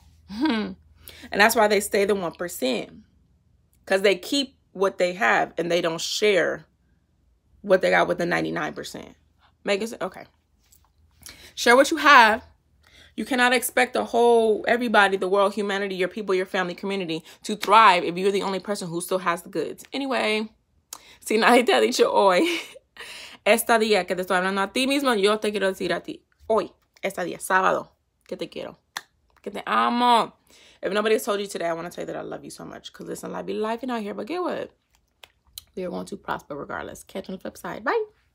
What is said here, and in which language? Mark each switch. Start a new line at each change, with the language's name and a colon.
English: And that's why they stay the 1%, because they keep what they have and they don't share what they got with the 99%. Okay. Share what you have. You cannot expect the whole, everybody, the world, humanity, your people, your family, community to thrive if you're the only person who still has the goods.
Spanish: Anyway, si nadie te ha dicho hoy, esta día que te estoy hablando a ti mismo, yo te quiero decir a ti, hoy, esta día, sábado, que te quiero, que te amo.
English: If nobody has told you today, I want to tell you that I love you so much. Because listen, I be living out here, but get what? We are going to prosper regardless. Catch you on the flip side. Bye.